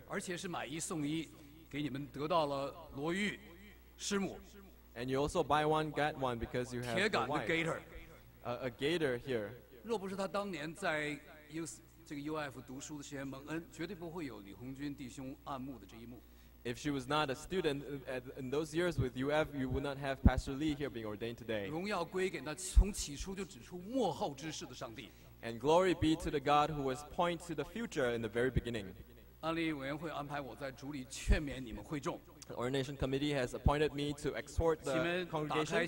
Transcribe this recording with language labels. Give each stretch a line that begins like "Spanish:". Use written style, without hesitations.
Chinese: 而且是买一送一，给你们得到了罗玉师母。
English: And you also buy one get one because you have a wife. A gator here.
Chinese: 若不是他当年在这个UF读书的时间蒙恩，绝对不会有李红军弟兄按牧的这一幕。
English: If she was not a student in those years with UF, you would not have Pastor Lee here being ordained today.
Chinese: 荣耀归给那从起初就指出幕后之事的上帝。
English: And glory be to the God who was pointed to the future in the very beginning.
Chinese: 安利委员会安排我在主里劝勉你们会众。
English: Ordination committee has appointed me to exhort the congregation.